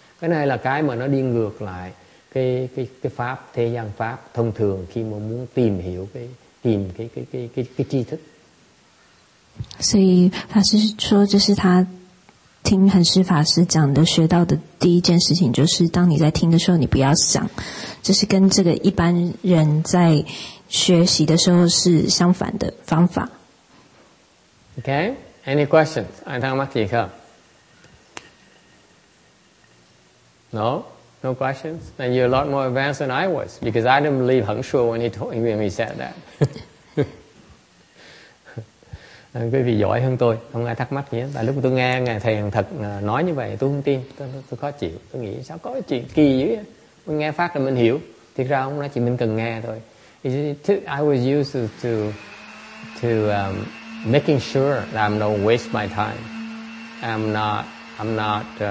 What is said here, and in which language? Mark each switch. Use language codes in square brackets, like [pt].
[vi] Cái này là cái mà nó đi ngược lại cái pháp thế gian pháp thông thường khi mà muốn tìm hiểu cái tri thức. [zh] 所以法师说，这是他听恒师法师讲的学到的第一件事情，就是当你在听的时候，你不要想，这是跟这个一般人在学习的时候是相反的方法。 [en] Okay, any questions? I don't want to hear. No, no questions. Then you're a lot more advanced than I was because I didn't believe Hằng Sô when he said that. [vi] Quý vị giỏi hơn tôi, không ai thắc mắc gì hết. Tại lúc tôi nghe ngài thầy Hằng Thật nói như vậy, tôi không tin, tôi khó chịu. Tôi nghĩ sao có chuyện kỳ dữ vậy? Mình nghe pháp là mình hiểu. Thiệt ra ông nói chỉ mình cần nghe thôi. [en] I was used to making sure that I'm not waste my time. I'm not